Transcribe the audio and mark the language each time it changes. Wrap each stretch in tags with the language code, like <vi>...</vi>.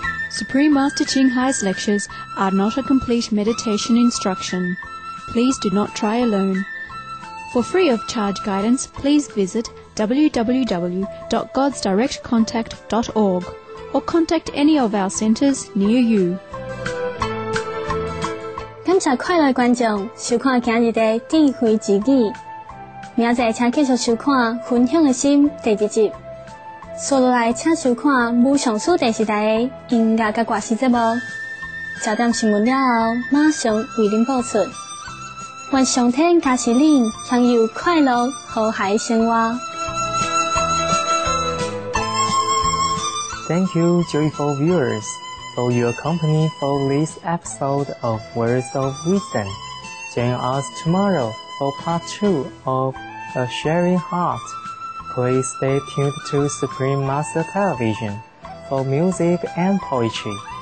<en>Supreme Master Qinghai's lectures are not a complete meditation instruction. Please do not try alone. For free of charge guidance, please visit www.godsdirectcontact.org or contact any of our centers near you.</en> <zh>感谢快乐观众收看今日的智慧之语，明仔请继续收看分享的心第二集。所以来请收看无上师电视台的音乐甲歌词节目，十点新闻了后马上为您播出。愿上天加持您享有快乐和谐生活。</zh> <en>Thank you, joyful viewers, for your company for this episode of Words of Wisdom. Join us tomorrow for part 2 of A Sharing Heart. Please stay tuned to Supreme Master Television for music and poetry.</en>